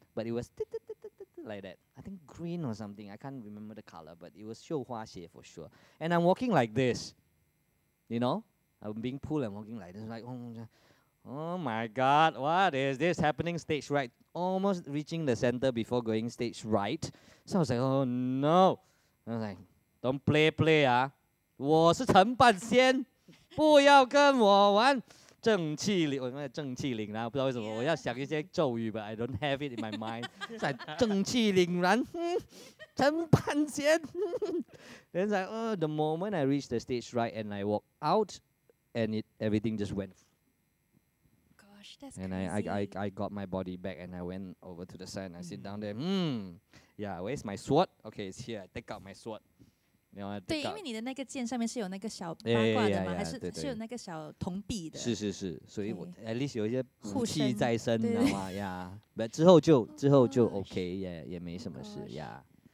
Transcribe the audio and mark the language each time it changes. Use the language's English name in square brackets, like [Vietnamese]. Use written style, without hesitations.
[English] But it was tuk, tuk, tuk, tuk, tuk, tuk, like that. I think green or something. I can't remember the color, but it was 绣花鞋 for sure. And I'm walking like this, you know? I'm being pulled and walking like this. Like, oh my God, what is this happening? Stage right, almost reaching the center before going stage right. So I was like, oh no. I was like, don't play. [Chinese] 我是陈半仙，不要跟我玩。正气灵，我那个正气凛然，不知道为什么、yeah. 我要想一些咒语 ， [English] but I don't have it in my mind [Chinese] 。在正气凛然，陈半仙。 [English] Then it's like, the moment I reached the stage right and I walk out, and everything just went. Gosh, that's crazy. And I got my body back and I went over to the side and I sit down there. Yeah, where's my sword? Okay, it's here. I take out my sword. [Chinese] 对，因为你的那个剑上面是有那个小八卦的吗？ [English] Yeah, [Chinese] 是有那个小铜币的？是，所以我 [English] at least [Chinese] 有一些护器在身，你知道吗？呀，不，之后就 OK， 也没什么事呀。